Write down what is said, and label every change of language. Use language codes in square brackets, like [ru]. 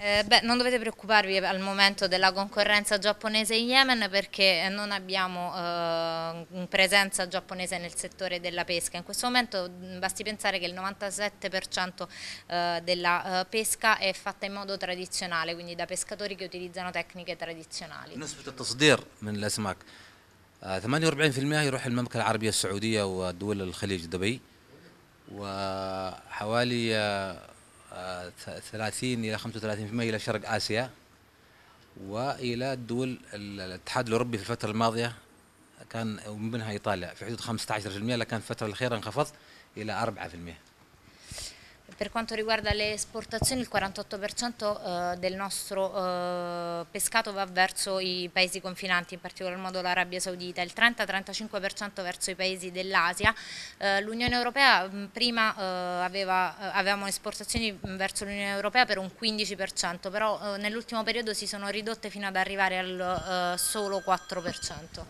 [it] Beh, non dovete preoccuparvi al momento della concorrenza giapponese in Yemen perché non abbiamo presenza giapponese nel settore della pesca. In questo momento basti pensare che il 97% della pesca è fatta in modo tradizionale, quindi da pescatori che utilizzano tecniche tradizionali. [ar] نسبه التصدير من الاسماك 48% يروح المملكه العربيه السعوديه ودول الخليج دبي وحوالي 30 الى 35% الى شرق اسيا والى الدول الاتحاد الاوروبي في الفتره الماضيه كان ومن بينها ايطاليا في حدود 15%, لكن في الفتره الاخيره انخفض الى 4%. [it] Per quanto riguarda le esportazioni, il 48% del nostro pescato va verso i paesi confinanti, in particolar modo l'Arabia Saudita, il 30-35% verso i paesi dell'Asia. L'Unione Europea prima avevamo esportazioni verso l'Unione Europea per un 15%, però nell'ultimo periodo si sono ridotte fino ad arrivare al solo 4%.